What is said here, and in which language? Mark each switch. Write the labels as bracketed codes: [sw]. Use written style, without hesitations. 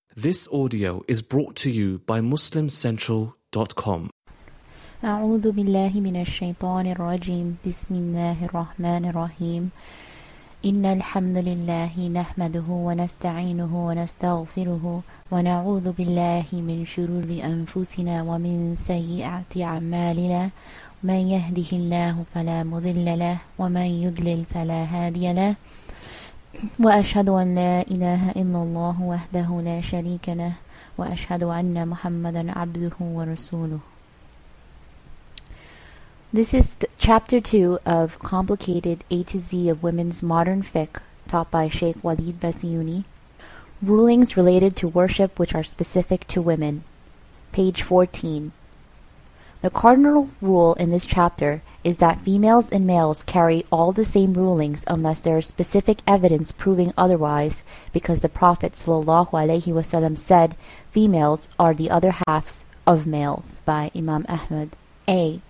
[en] This audio is brought to you by MuslimCentral.com. [ar] أعوذ بالله من الشيطان الرجيم بسم الله الرحمن الرحيم إن الحمد لله نحمده ونستعينه ونستغفره ونعوذ بالله من شرور أنفسنا ومن سيئات أعمالنا من يهده الله فلا مضل له ومن يضلل فلا هادي له وأشهد أن لا إله إلا الله وحده لا شريك له وأشهد أن محمدا عبده ورسوله. [en] This is chapter 2 of Complicated A to Z of Women's Modern Fiqh, taught by Sheikh Walid Basiouni. Rulings related to worship which are specific to women. Page 14. The cardinal rule in this chapter is that females and males carry all the same rulings unless there is specific evidence proving otherwise, because the Prophet ﷺ said, "Females are the other halves of males," by Imam Ahmad. A.